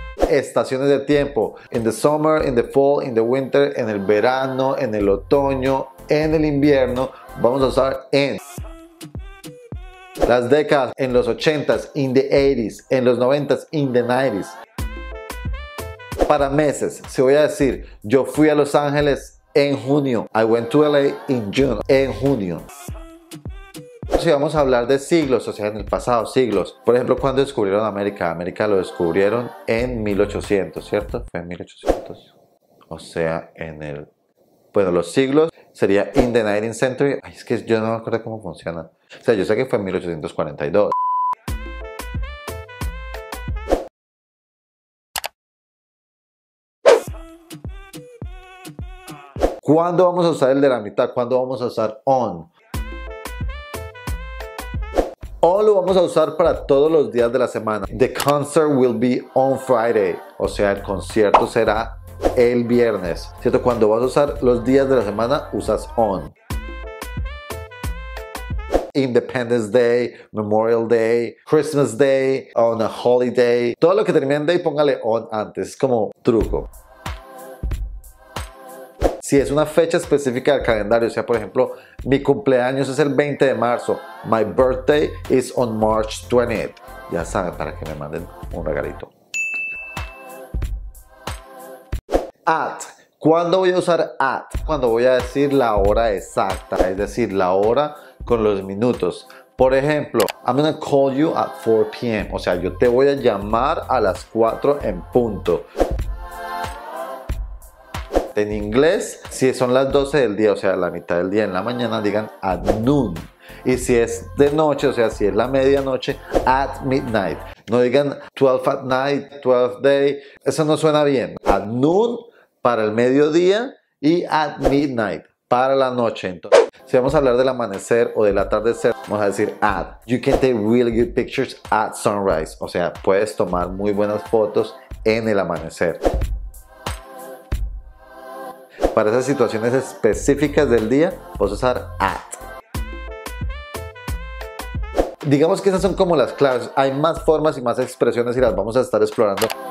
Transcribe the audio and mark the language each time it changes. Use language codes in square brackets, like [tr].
[es] Estaciones de tiempo. [en] In the summer, in the fall, in the winter, [es] en el verano, en el otoño, en el invierno, vamos a usar en. Las décadas, en los 80s, [en] in the 80s, [es] en los 90s, [en] in the 90s. [es] Para meses, se voy a decir, yo fui a Los Ángeles en junio. [en] I went to LA in June, [es] en junio. Si vamos a hablar de siglos, o sea, en el pasado, siglos. Por ejemplo, cuando descubrieron América, América lo descubrieron en 1800, ¿cierto? Fue en 1800. O sea, en el... Bueno, los siglos sería [en] in the 19th century. [es] Ay, es que yo no me acuerdo cómo funciona. O sea, yo sé que fue en 1842. ¿Cuándo vamos a usar el de la mitad? ¿Cuándo vamos a usar on? On lo vamos a usar para todos los días de la semana. [en] The concert will be on Friday. [es] O sea, el concierto será el viernes, ¿cierto? Cuando vas a usar los días de la semana, usas on. [en] Independence Day, Memorial Day, Christmas Day, on a holiday. [es] Todo lo que termine en day, póngale on antes. Es como truco. Si es una fecha específica del calendario, o sea, por ejemplo, mi cumpleaños es el 20 de marzo. [en] My birthday is on March 20th. [es] Ya saben, para que me manden un regalito. At. ¿Cuándo voy a usar at? Cuando voy a decir la hora exacta, es decir, la hora con los minutos. Por ejemplo, [en] I'm gonna call you at 4 p.m. [es] O sea, yo te voy a llamar a las 4 en punto. En inglés, si son las 12 del día, o sea, la mitad del día en la mañana, digan [en] at noon. [es] Y si es de noche, o sea, si es la medianoche, [en] at midnight. [es] No digan 12 at night, 12 day. Eso no suena bien. [en] At noon [es] para el mediodía y [en] at midnight [es] para la noche. Entonces, si vamos a hablar del amanecer o del atardecer, vamos a decir at. [en] You can take really good pictures at sunrise. [es] O sea, puedes tomar muy buenas fotos en el amanecer. Para esas situaciones específicas del día, puedes usar at. Digamos que esas son como las claves. Hay más formas y más expresiones y las vamos a estar explorando.